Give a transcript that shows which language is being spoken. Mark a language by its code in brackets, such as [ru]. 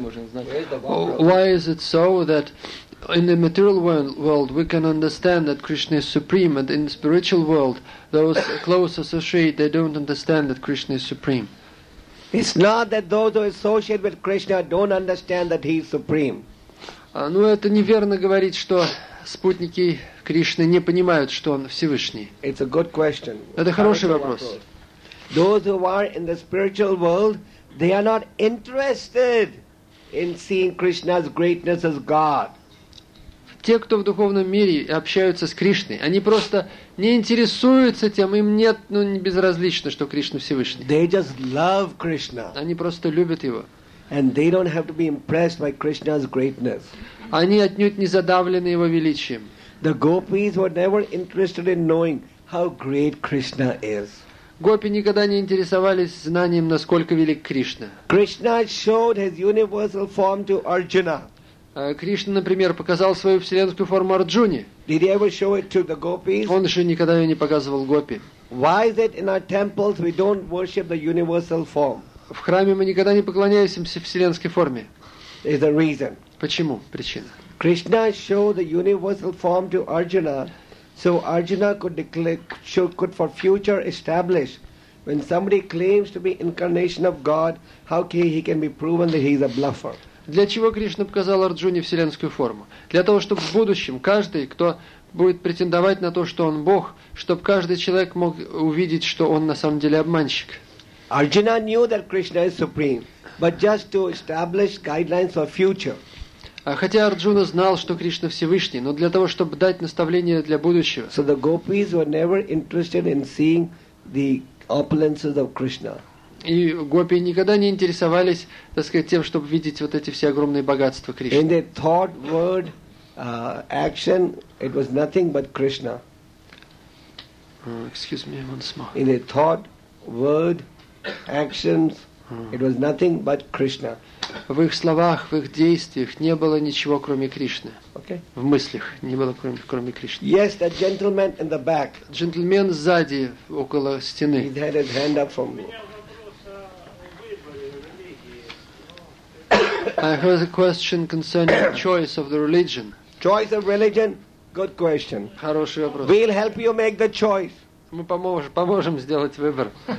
[en] Why is it so that in the material world we can understand that Krishna is supreme, and in the spiritual world those close associates, they don't understand that Krishna is supreme? It's not that those who associate with Krishna don't understand that he is supreme. [ru] Ну это неверно говорить, что спутники Кришны не понимают, что он Всевышний. [en] It's a good question. [ru] Это хороший вопрос. [en] Those who are in the spiritual world, they are not interested in seeing Krishna's greatness as God. [ru] Те, кто в духовном мире общаются с Кришной, они просто не интересуются тем, им нет, ну, не безразлично, что Кришна Всевышний. [en] They just love Krishna. [ru] Они просто любят его. [en] And they don't have to be impressed by Krishna's greatness. [ru] Они отнюдь не задавлены его величием. [en] The gopis were never interested in knowing how great Krishna is. [ru] Гопи никогда не интересовались знанием, насколько велик Кришна. [en] Krishna showed his universal form to Arjuna. [ru] Кришна, например, показал свою вселенскую форму Арджуне. [en] Did he ever show it to the gopis? [ru] Он еще никогда ее не показывал гопи. [en] Why is it in our temples we don't worship the universal form? [ru] В храме мы никогда не поклоняемся вселенской форме. [en] Is the reason. [ru] Почему? Причина. [en] Krishna showed the universal form to Arjuna, so Arjuna could for future establish when somebody claims to be incarnation of God, how he can be proven that he is a bluffer. [ru] Для чего Кришна показал Арджуне вселенскую форму? Для того, чтобы в будущем каждый, кто будет претендовать на то, что он Бог, чтобы каждый человек мог увидеть, что он на самом деле обманщик. [en] Arjuna knew that Krishna is supreme, but just to establish guidelines for future. [ru] Хотя Арджуна знал, что Кришна Всевышний, но для того, чтобы дать наставление для будущего. [en] So the gopis were never interested in seeing the opulences of Krishna. [ru] И гопи никогда не интересовались, так сказать, тем, чтобы видеть вот эти все огромные богатства Кришны. [en] In their thought, word, action, it was nothing but Krishna. Excuse me, once more. In their thought, word, actions, it was nothing but Krishna. [ru] В их словах, в их действиях не было ничего, кроме Кришны. [en] Okay. [ru] В мыслях не было, кроме Кришны. [en] Yes, that gentleman in the back. [ru] Джентльмен сзади, около стены. [en] He had his hand up for me. I heard a question concerning choice of the religion. Choice of religion? Good question. [ru] Хороший вопрос. [en] We'll help you make the choice. [ru] Мы поможем сделать выбор.